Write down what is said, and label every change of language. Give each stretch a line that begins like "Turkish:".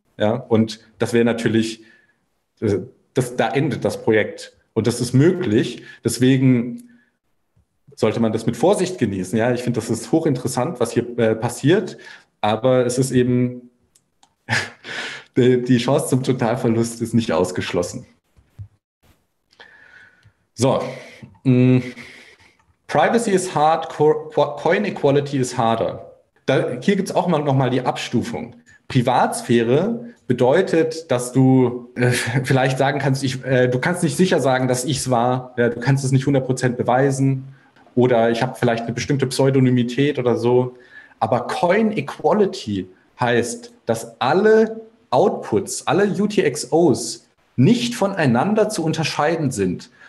German: Ja, und das wäre natürlich, da endet das Projekt und das ist möglich. Deswegen sollte man das mit Vorsicht genießen. Ja, ich finde, das ist hochinteressant, was hier passiert, aber es ist eben, die Chance zum Totalverlust ist nicht ausgeschlossen.
English: So, Privacy is hard, Coin Equality is harder.
German: Hier gibt es auch mal nochmal die Abstufung. Privatsphäre bedeutet, dass du vielleicht sagen kannst, du kannst nicht sicher sagen, dass ich es war, du kannst es nicht 100% beweisen oder ich habe vielleicht eine bestimmte Pseudonymität oder so. Aber Coin Equality heißt, dass alle Outputs, alle UTXOs nicht voneinander zu unterscheiden sind.